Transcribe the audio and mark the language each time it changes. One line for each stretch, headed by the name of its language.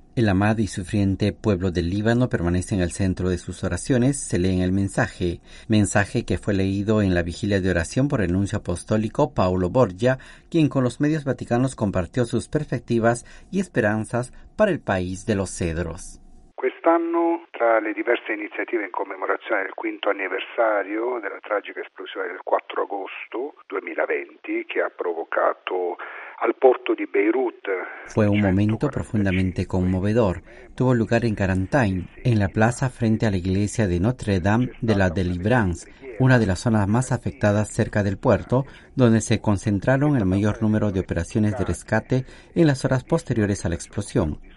Spanish: El amado y sufriente pueblo del Líbano permanece en el centro de sus oraciones, se lee en el mensaje. Mensaje que fue leído en la vigilia de oración por el nuncio apostólico Paolo Borgia, quien con los medios vaticanos compartió sus perspectivas y esperanzas para el país de los cedros.
Italian: Quest'anno, tra le diverse iniziative in commemorazione del 5º anniversario della tragica esplosione del 4 agosto 2020, che ha provocato al porto di Beirut.
Spanish: Fue un momento profundamente conmovedor. Tuvo lugar en Carantine, en la plaza frente a la iglesia de Notre Dame de la Deliverance, una de las zonas más afectadas cerca del puerto, donde se concentraron el mayor número de operaciones de rescate en las horas posteriores a la explosión.